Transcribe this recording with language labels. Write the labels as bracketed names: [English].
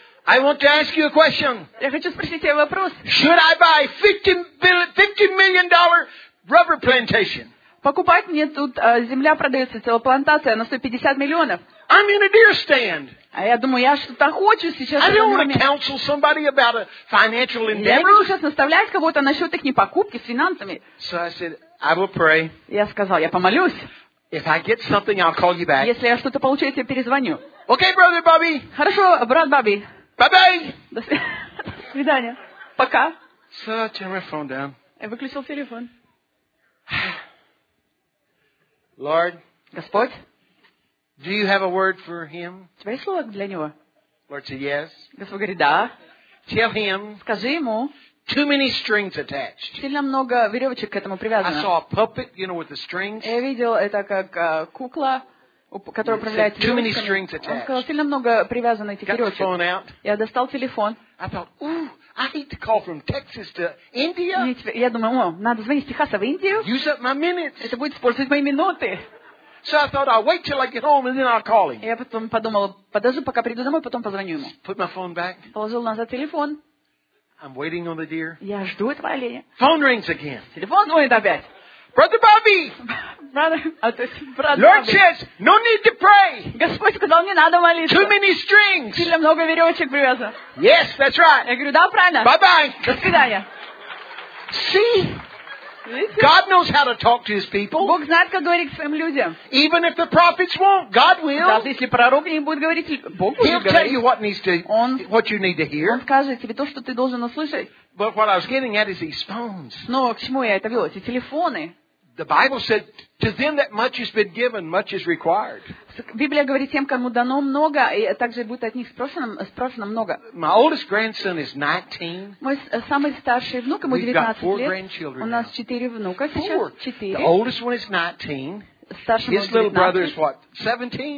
[English] I want to ask you a question. [Russian] Я хочу спросить тебя вопрос. [English] Should I buy $50 million rubber plantation? [Russian] Покупать мне тут земля продается целая плантация на 150 миллионов. [English] I'm in a deer stand. [Russian] А я думаю, я что-то хочу сейчас. [English] I don't want to counsel somebody about a financial endeavor. [Russian] Я не буду сейчас наставлять кого-то насчет их непокупки с финансами. [English] So I said, I will pray. [Russian] Я сказал, я помолюсь. [English] If I get something, I'll call you back. [Russian] Если я что-то получу, я тебе перезвоню. [English] Okay, brother Bobby. [Russian] Хорошо, брат Бобби. [English] Bye-bye. [Russian] До свидания. Пока. [English] So I turned my phone down. [Russian] Я выключил телефон. [English] Lord. [Russian] Господь. [English] Do you have a word for him? [Russian] У тебя есть слово для него? [English] Lord said yes. [Russian] Господь говорит да. [English] Tell him. [Russian] Скажи ему. [English] Too many strings attached. [Russian] Сильно много веревочек к этому привязано. [English] I saw a puppet, you know, with the strings. [Russian] Я видел это как кукла, которая управляет. [English] Too many strings attached. [Russian] Он сказал, сильно много привязано этих веревочек. [English] Got the phone out. [Russian] Я достал телефон. [English] I thought, ooh, I need to call from Texas to India. [Russian] Я думаю, надо звонить с Техаса в Индию. [English] Use up my minutes. [Russian] Это будет использовать мои минуты. [English] So I thought I'll wait till I get home and then I'll call him. [Russian] Я потом подумал, подожду, пока приду домой, потом позвоню ему. [English] Put my phone back. [Russian] Положил назад телефон. [English] I'm waiting on the deer. [Russian] Я жду этого оленя. [English] Phone rings again. [Russian] Телефон звонит опять. [English] Brother Bobby. Brother. Lord says, no need to pray. [Russian] Господь сказал, не надо молиться. [English] Too many strings. [Russian] Сильно много веревочек привязано. [English] Yes, that's right. [Russian] Я говорю, да, правильно. [English] Bye-bye. [Russian] До свидания. [English] See. God knows how to talk to his people. [Russian] Бог знает, как говорить к своим людям. [English] Even if the prophets won't, God will. [Russian] Даже если пророк не будет говорить, Бог будет говорить. [English] He'll tell you what needs to, what you need to hear. [Russian] Он скажет тебе то, что ты должен услышать. [English] But what I was getting at is these phones. [Russian] Но к чему я это вел? Эти телефоны. [English] The Bible said, "To them that much has been given, much is required." [Russian] Библия говорит тем, кому дано много, и также будет от них спрошено много. [English] My oldest grandson is 19. [Russian] Мой самый старший внук ему 19 лет. [English] We've got four grandchildren. [Russian] У нас четыре внука сейчас. [English] Four. [Russian] Четыре. [English] The oldest one is 19. His little brother is what? 17.